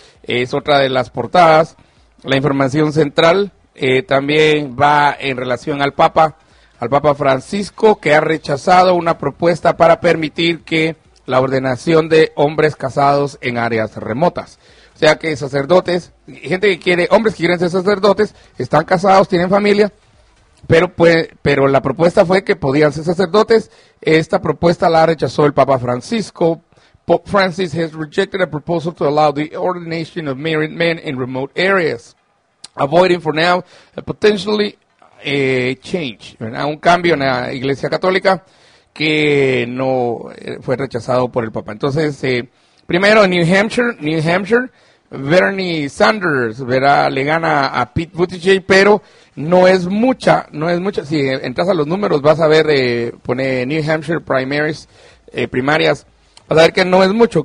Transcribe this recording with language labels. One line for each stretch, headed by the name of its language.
Spanish: Es otra de las portadas. La información central también va en relación al Papa Francisco, que ha rechazado una propuesta para permitir que la ordenación de hombres casados en áreas remotas. O sea que sacerdotes, hombres que quieren ser sacerdotes, están casados, tienen familia, pero la propuesta fue que podían ser sacerdotes. Esta propuesta la rechazó el Papa Francisco.
English: Pope Francis has rejected a proposal to allow the ordination of married men in remote areas, avoiding for now a potentially change.
Spanish: Un cambio en la Iglesia Católica que no fue rechazado por el Papa. Entonces, primero, New Hampshire, Bernie Sanders, verá, le gana a Pete Buttigieg, pero no es mucha, no es mucha. Si entras a los números, vas a ver, pone New Hampshire primaries, primarias, vas a ver que no es mucho.